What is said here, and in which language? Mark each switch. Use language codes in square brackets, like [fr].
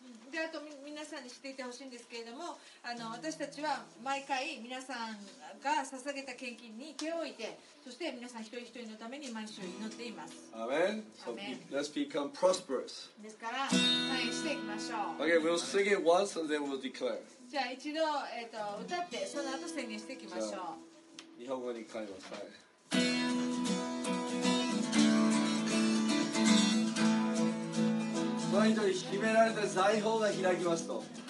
[ja] であと皆さんに知っていてほしいんですけれども、あの私たちは毎回皆さんが捧げた献金に手を置いて、そして皆さん一人一人のために毎週祈っています。 [en] アメン。So let's become prosperous. [ja] ですから退院していきましょう。 [en] Okay, we'll sing it once and then we'll declare. [ja] じゃあ一度、歌ってその後宣言していきましょう。日本語に変えます。はい。その人に秘められた財宝が開きますと、